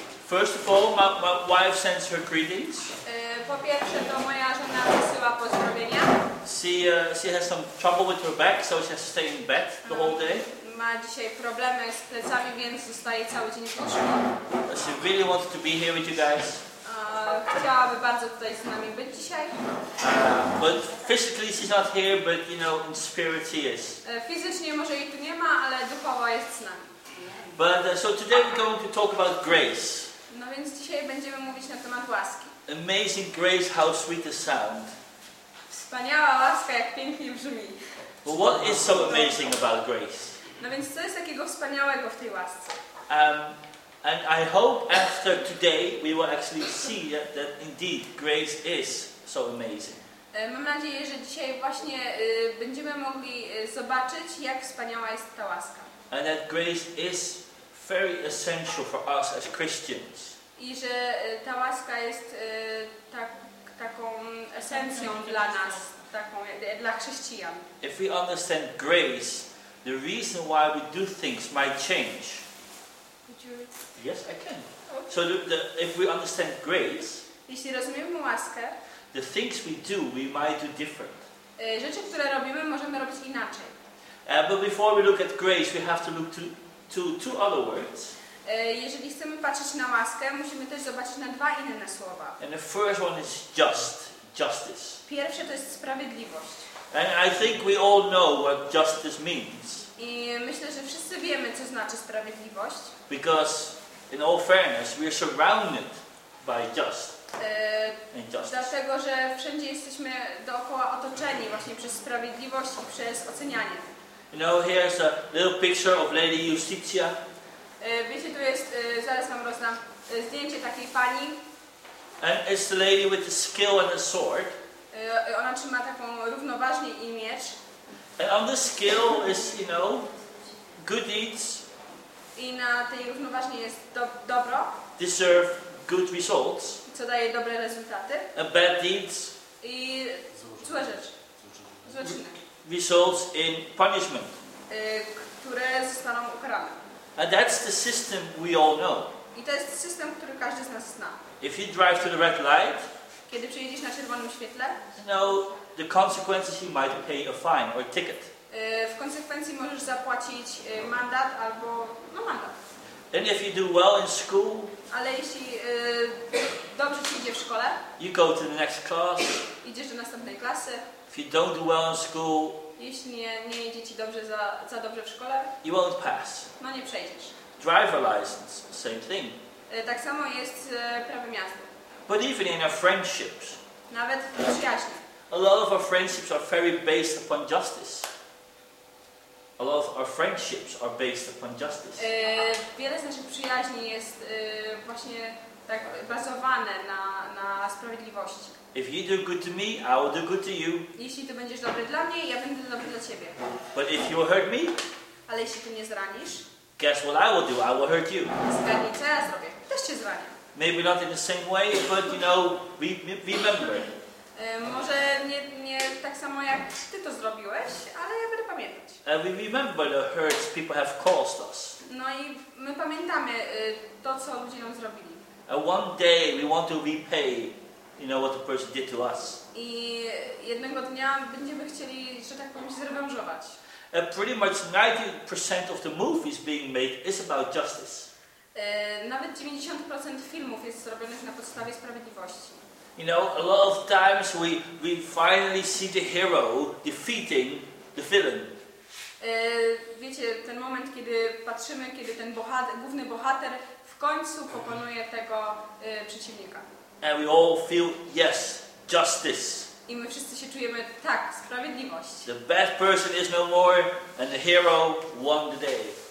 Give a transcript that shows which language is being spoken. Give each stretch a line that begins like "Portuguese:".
English: First of all, my wife sends her greetings.
Polish: Po pierwsze, to moja żona wysyła pozdrowienia.
English: She has some trouble with her back, so she has to stay in bed the whole day.
Polish: Ma dzisiaj problemy z plecami, więc zostaje cały dzień w łóżku.
English: She really wants to be here with you guys.
Polish: Chciałaby bardzo tutaj z nami być dzisiaj.
English: But physically she's not here, but you know, in spirit she is.
Polish: Fizycznie może jej tu nie ma, ale duchowo jest z nami.
English: So today we're going to talk about grace.
Polish: No więc dzisiaj będziemy mówić na temat łaski.
English: Amazing grace, how sweet the sound.
Polish: Wspaniała łaska, jak pięknie brzmi.
English: Well, what is so amazing about grace?
Polish: No więc co jest takiego wspaniałego w tej łasce?
English: And I hope after today we will actually see that indeed grace is so amazing.
Polish: Mam nadzieję, że dzisiaj właśnie będziemy mogli zobaczyć, jak wspaniała jest ta łaska.
English: And that grace is very essential for us as Christians.
Polish: I że ta łaska jest taką esencją dla nas, dla chrześcijan.
English: If we understand grace, the reason why we do things might change. Could you read? Yes, I can. Okay. So if we understand grace,
Polish: jeśli rozumiemy łaskę,
English: the things we do, we might do different.
Polish: Rzeczy, które robimy, możemy robić inaczej.
English: But before we look at grace, we have to look to two other words.
Polish: Jeżeli chcemy patrzeć na łaskę, musimy też zobaczyć na dwa inne słowa.
English: And the first one is justice.
Polish: Pierwsze to jest sprawiedliwość.
English: And I think we all know what justice means.
Polish: I myślę, że wszyscy wiemy, co znaczy sprawiedliwość.
English: Because in all fairness, we are surrounded by justice.
Polish: Dlatego, że wszędzie jesteśmy dookoła otoczeni właśnie przez sprawiedliwość i przez ocenianie.
English: You know, here's a little picture of Lady Justitia.
Polish: Wiecie, tu jest, zaraz wam rozdam, zdjęcie takiej pani.
English: And it's the lady with the skill and the sword.
Polish: Ona trzyma taką równoważnie i miecz.
English: And on the skill is, you know, good deeds.
Polish: I na tej równoważnie jest dobro.
English: Deserve good results.
Polish: Co daje dobre rezultaty.
English: And bad deeds.
Polish: I złe rzeczy. Złoczyny.
English: Results in punishment.
Polish: Które zostaną ukarane.
English: And that's the system we all know.
Polish: I to jest system, który każdy z nas zna.
English: If you drive to the red light,
Polish: kiedy przejedziesz na czerwonym świetle,
English: you know, the consequences you might pay a fine or a ticket.
Polish: W konsekwencji możesz zapłacić mandat albo mandat.
English: And if you do well in school,
Polish: ale jeśli dobrze ci idzie w szkole,
English: you go to the next class,
Polish: idziesz do następnej klasy.
English: If you don't do well in school,
Polish: jeśli nie idzie ci dobrze za dobrze w szkole,
English: you won't pass.
Polish: No nie przejdziesz.
English: Driver license, same thing.
Polish: Tak samo jest z prawem jazdy.
English: But even in our friendships,
Polish: nawet w przyjaźni,
English: a lot of our friendships are very based upon justice. A lot of our friendships are based upon justice.
Polish: Wiele z naszych przyjaźni jest właśnie tak bazowane na sprawiedliwości.
English: If you do good to me, I will do good to you.
Polish: Jeśli ty będziesz dobry dla mnie, ja będę dobry dla ciebie.
English: But if you hurt me,
Polish: ale jeśli ty mnie zranisz,
English: guess what I will do? I will hurt you.
Polish: Zgadnij, co ja zrobię? Też cię zranię.
English: Maybe not in the same way, but you know, remember.
Polish: Może nie tak samo jak ty to zrobiłeś, ale ja będę pamiętać.
English: We remember the hurts people have caused us.
Polish: No i my pamiętamy to, co ludzie nam zrobili.
English: And one day we want to repay. You know what the person did to us.
Polish: I jednego dnia będziemy chcieli, że tak powiem, zrewanżować.
English: Pretty much 90% of the movies being made is about justice.
Polish: Nawet 90% filmów jest zrobionych na podstawie sprawiedliwości.
English: You know, a lot of times we finally see the hero defeating the villain.
Polish: Wiecie, ten moment, kiedy patrzymy, kiedy ten główny bohater w końcu pokonuje tego przeciwnika.
English: And we all feel, yes, justice.
Polish: I my wszyscy się czujemy, tak, sprawiedliwość.
English: The bad person is no more, and the hero won the day.